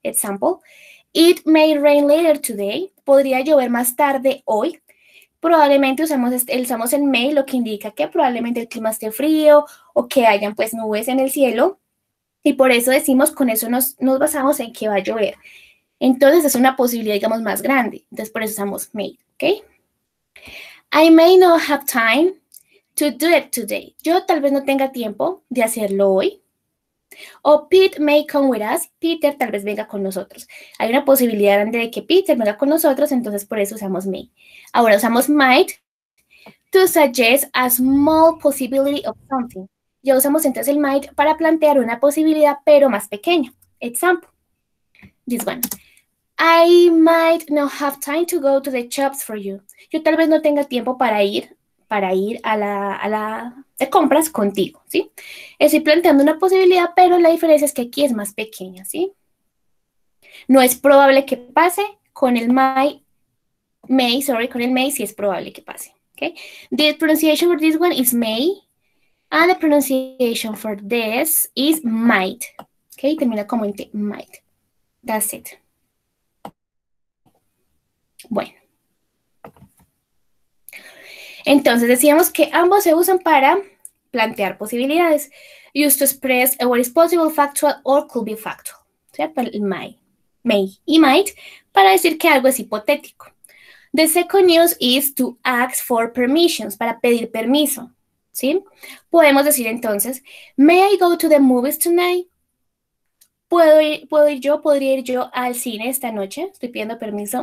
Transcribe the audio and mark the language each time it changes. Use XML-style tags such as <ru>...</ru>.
<en>Example, it may rain later today.</en> <es>Podría llover más tarde hoy. Probablemente usamos el may, lo que indica que probablemente el clima esté frío o que hayan pues nubes en el cielo. Y por eso decimos, con eso nos basamos en que va a llover. Entonces, es una posibilidad, digamos, más grande. Entonces, por eso usamos may, ¿ok?</es> <en>I may not have time to do it today.</en> <es>Yo tal vez no tenga tiempo de hacerlo hoy. O</es> <en>Pete may come with us.</en> <es>Peter tal vez venga con nosotros. Hay una posibilidad grande de que Peter venga con nosotros, entonces por eso usamos may. Ahora usamos</es> <en>might to suggest a small possibility of something.</en> <es>Ya usamos entonces el might para plantear una posibilidad, pero más pequeña.</es> <en>Example, this one. I might not have time to go to the shops for you.</en> <es>Yo tal vez no tenga tiempo para ir a la de compras contigo, ¿sí? Estoy planteando una posibilidad, pero la diferencia es que aquí es más pequeña, ¿sí? No es probable que pase con el may, sí es probable que pase, ¿ok?</es> <en>The pronunciation for this one is may, and the pronunciation for this is might, ¿ok?</en> <es>Termina como en might.</es> <en>That's it.</en> <es>Bueno. Entonces, decíamos que ambos se usan para plantear posibilidades.</es> <en>Used to express what is possible, factual, or could be factual.</en> <es>¿Cierto? El may y might, para decir que algo es hipotético.</es> <en>The second use is to ask for permissions,</en> <es>para pedir permiso.</es> <en>¿Sí?</en> <es>Podemos decir entonces,</es> <en>may I go to the movies tonight?</en> <es>¿Podría ir yo al cine esta noche? Estoy pidiendo permiso.</es>